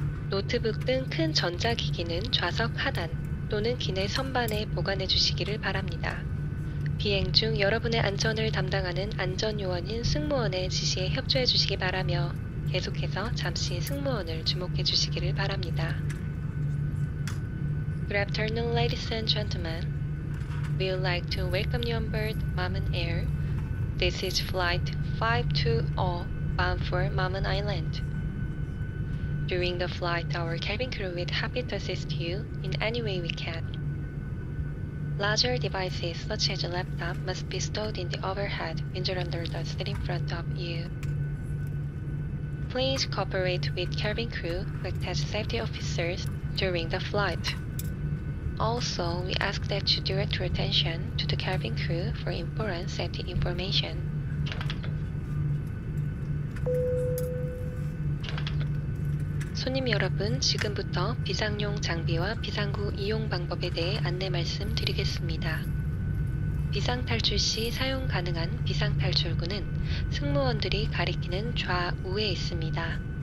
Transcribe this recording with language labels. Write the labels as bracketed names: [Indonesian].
[Korean] 노트북 등 큰 전자기기는 좌석 하단 또는 기내 선반에 보관해 주시기를 바랍니다. 비행 중 여러분의 안전을 담당하는 안전요원인 승무원의 지시에 협조해 주시기 바라며 계속해서 잠시 승무원을 주목해 주시기를 바랍니다. [English] Good afternoon, ladies and gentlemen. We would like to welcome you on board Maman Air. This is flight 520 bound for Maman Island. During the flight, our cabin crew will be happy to assist you in any way we can. Larger devices such as a laptop must be stowed in the overhead window under the seat in front of you. Please cooperate with cabin crew to attach safety officers during the flight. Also, we ask that you direct your attention to the cabin crew for important safety information. [Korean] 손님 여러분, 지금부터 비상용 장비와 비상구 이용 방법에 대해 안내 말씀드리겠습니다. 비상탈출 시 사용 가능한 비상탈출구는 승무원들이 가리키는 좌우에 있습니다.